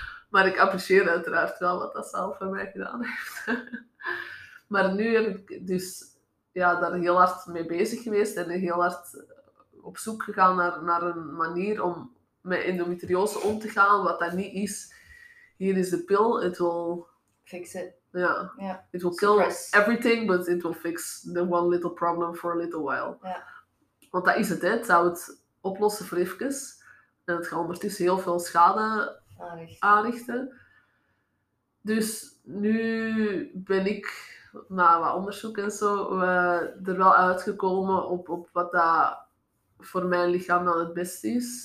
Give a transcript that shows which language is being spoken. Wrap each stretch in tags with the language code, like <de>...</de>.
<nl>Maar ik apprecieer uiteraard wel wat dat zelf voor mij gedaan heeft. Maar nu heb ik dus daar heel hard mee bezig geweest. En heel hard op zoek gegaan naar een manier om met endometriose om te gaan. Wat dat niet is. Hier is de pil.</nl> <en>It will fix it.</en> <nl>Ja.</nl> <en>It will kill everything, but it will fix the one little problem for a little while.</en> <nl>Ja. Want dat is het, hè. Het zou het oplossen voor even. En het gaat ondertussen heel veel schade aanrichten. Dus nu ben ik, na wat onderzoek en zo, er wel uitgekomen op wat dat voor mijn lichaam dan het beste is.</nl>